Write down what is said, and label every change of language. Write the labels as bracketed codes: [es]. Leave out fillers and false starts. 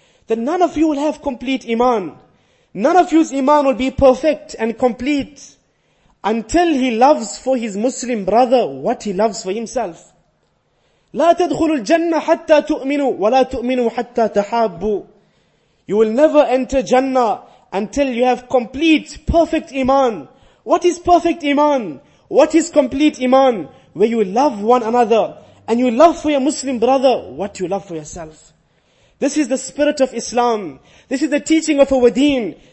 [en] That none of you will have complete iman. None of you's iman will be perfect and complete until he loves for his Muslim brother what he loves for himself. [ar] لا تدخل الجنة حتى تؤمنوا ولا تؤمنوا حتى تحابوا. [en] You will never enter Jannah until you have complete, perfect iman. What is perfect iman? What is complete iman? Where you love one another and you love for your Muslim brother what you love for yourself. This is the spirit of Islam. This is the teaching of our deen.